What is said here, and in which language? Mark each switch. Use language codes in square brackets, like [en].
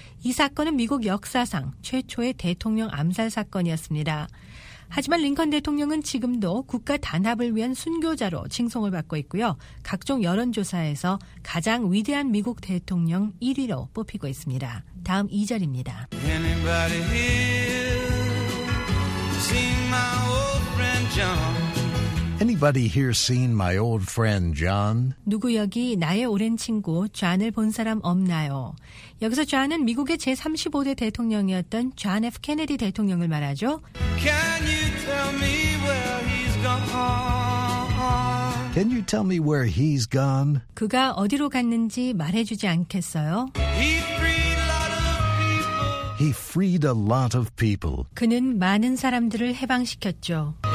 [ko] 이 사건은 미국 역사상 최초의 대통령 암살 사건이었습니다. 하지만 링컨 대통령은 지금도 국가 단합을 위한 순교자로 칭송을 받고 있고요. 각종 여론조사에서 가장 위대한 미국 대통령 1위로 뽑히고 있습니다. 다음 2절입니다. [en] Anybody here seen my old friend John? Anybody here seen my old friend John? [ko] 누구 여기 나의 오랜 친구 존을 본 사람 없나요? 여기서 존은 미국의 제35대 대통령이었던 존 F. 케네디 대통령을 말하죠. [en] Can you tell me where he's gone? Can you tell me where he's gone? [ko] 그가 어디로 갔는지 말해주지 않겠어요? [en] He freed a lot of people. He freed a lot of people. [ko] 그는 많은 사람들을 해방시켰죠.